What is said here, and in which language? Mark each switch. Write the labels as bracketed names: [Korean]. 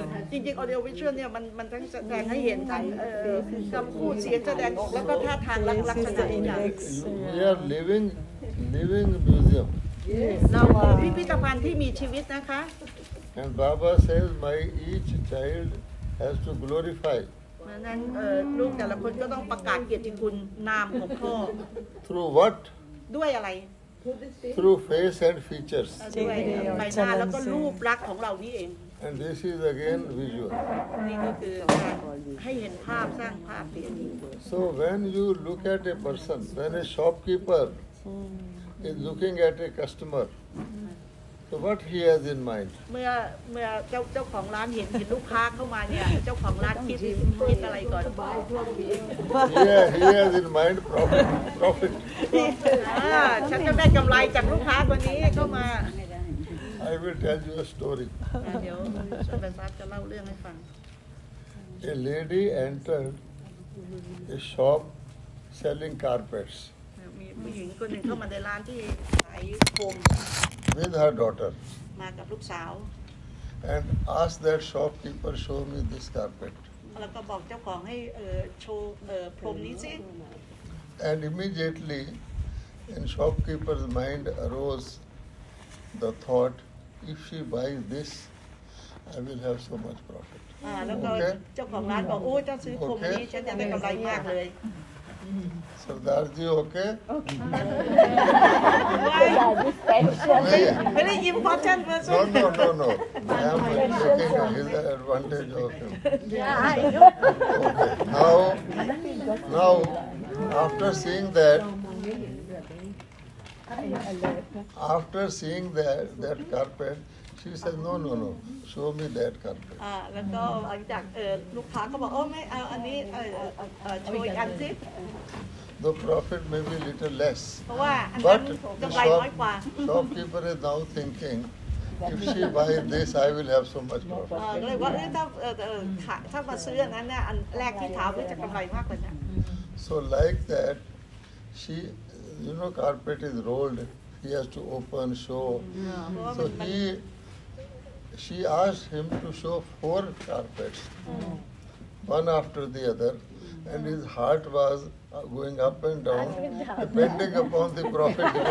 [Thai] จริงๆ audio visual เนี่ยมันทั้งแสดงให้เห็นทั้งคำพูดเสียงแสดงออกแล้วก็ท่าทางลักษณะอย่างนี้ [English] We are living museum. [Thai] เราเป็นพิพิธภัณฑ์ที่มีชีวิตนะคะ [English] And Baba says my each child has to glorify. [Thai] นั้นลูกแต่ละคนก็ต้องประกาศเกียรติคุณนามของพ่อ [English] through what [Thai] ด้วยอะไร [English] through face and features [Thai] ด้วยใบหน้าแล้วก็รูปลักษณ์ของเรานี่เอง [English] and this is again visual นี่ ก็คือ [Thai] ให้เห็นภาพสร้างภาพเปลี่ยน [English] so when you look at a person when a shopkeeper is looking at a customerSo what he has in mind? [Thai] เมื่อเจ้าของร้านเห็นลูกค้าเข้ามาเนี่ยเจ้าของร้านคิดอะไรก่อน [English] Yeah, he has in mind profit. [Thai] ฉันจะได้กำไรจากลูกค้าคนนี้เข้ามา [English] I will tell you a story. [Thai] เดี๋ยวฉันจะเล่าเรื่องให้ฟั ง [English] A lady entered a shop selling carpets. [Thai] มีผู้หญิงคนหนึ่งเข้ามาในร้านที่ขายโคม [English] With her daughter. [Thai] มากับลูกสาว [English] And ask that shopkeeper show me this carpet. [Thai] แล้วก็บอกเจ้าของให้โชว์พรมนี้สิ [English] And immediately in shopkeeper's mind arose the thought if she buys this I will have so much profit. [Thai] แล้วก็เจ้าของร้านบอกโอ้ยเจ้าซื้อพรมนี้ฉันจะได้กำไรมากเลย [English] Sardar ji, okay? Why? Why? Very important person. No. I am looking at his advantage of him. Okay. Now, after seeing that carpet, she says, no. Show me that carpet. [Thai] แล้วก็หลังจากลูกค้าก็บอกโอ้ไม่เอาอันนี้โชว์อีกอันสิ [English] The profit may be little less. But the shopkeeper is now thinking, if she buy this, I will have so much profit. [Thai] เลยว่าถ้ามาซื้ออันนั้นเนี่ยอันแรกที่ถามว่าจะกำไรมากกว่านี้ [English] So like that, she, you know, carpet is rolled. He has to open, show. So he. She asked him to show four carpets, one after the other, and his heart was going up and down, depending upon the profit.